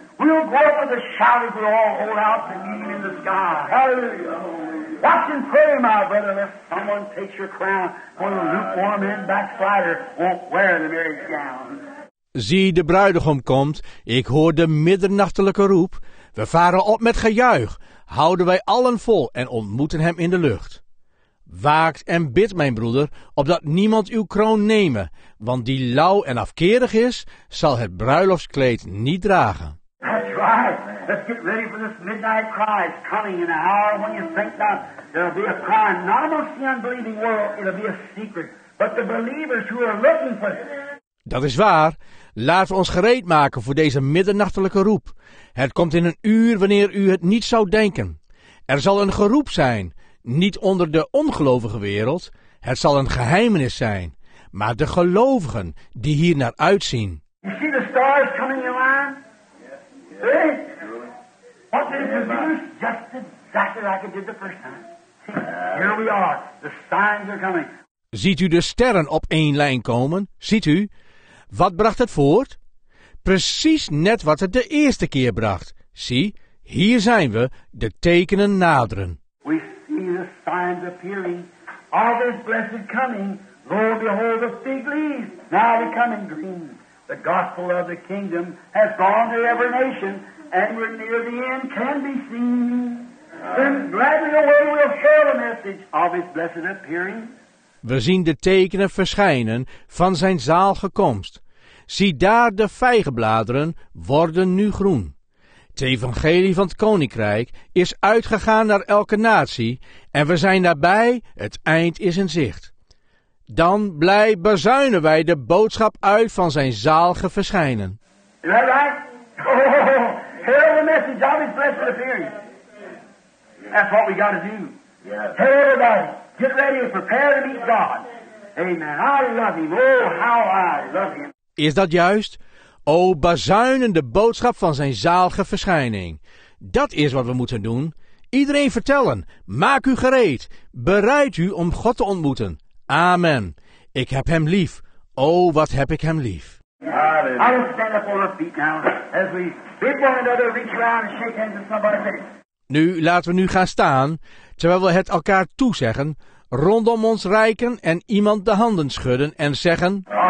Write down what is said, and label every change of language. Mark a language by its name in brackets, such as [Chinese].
[English] We'll go up with a shout as we all hold out the beam in the sky. Hallelujah. Watch and pray, my brother, lest someone takes your crown. For the lukewarm and backslider won't wear the marriage gown. [Dutch] Zie, de bruidegom komt. Ik hoor de middernachtelijke roep. We varen op met gejuich. Houden wij allen vol en ontmoeten hem in de lucht. Waakt en bid, mijn broeder, opdat niemand uw kroon nemen, want die lauw en afkerig is, zal het bruiloftskleed niet dragen. [English] That's right. Let's get ready for this midnight cry. It's coming in an hour when you think that there'll be a cry. Not amongst the unbelieving world, it'll be a secret. But the believers who are looking for it. [Dutch] Dat is waar. Laten we ons gereed maken voor deze middernachtelijke roep. Het komt in een uur wanneer u het niet zou denken. Er zal een geroep zijn, niet onder de ongelovige wereld. Het zal een geheimenis zijn, maar de gelovigen die hier naar uitzien. [English] You see the stars coming in line? Yeah. See? What did it produce? Just exactly like it did the first time. See, here we are. The signs are coming. [Dutch] Ziet u de sterren op één lijn komen? Ziet u? Wat bracht het voort? Precies net wat het de eerste keer bracht. Zie, hier zijn we, de tekenen naderen. [English] We see the signs appearing. All this blessed coming. Lord, behold the fig leaves. Now becoming green. The gospel of the kingdom has gone to every nation. And we're near the end, can be seen. Then gladly away we'll share the message of his blessed appearing. [Dutch] We zien de tekenen verschijnen van zijn zalige komst. Zie daar, de vijgenbladeren worden nu groen. Het evangelie van het koninkrijk is uitgegaan naar elke natie en we zijn daarbij, het eind is in zicht. Dan blij bezuinen wij de boodschap uit van zijn zalige verschijnen. [English] Is dat right? Oh, hail the message of his blessed appearing. That's what we got to do. Yes. Hail everybody. Get ready and prepare to meet God. Amen. I love him. Oh, how I love him. [Dutch] Is dat juist? O, bazuinen de boodschap van zijn zalige verschijning. Dat is wat we moeten doen. Iedereen vertellen. Maak u gereed. Bereid u om God te ontmoeten. Amen. Ik heb hem lief. O, wat heb ik hem lief. [English] I will stand up on our feet now as we bid one another reach around and shake hands with somebody. [Dutch] Nu laten we nu gaan staan, terwijl we het elkaar toezeggen, rondom ons reiken en iemand de handen schudden en zeggen...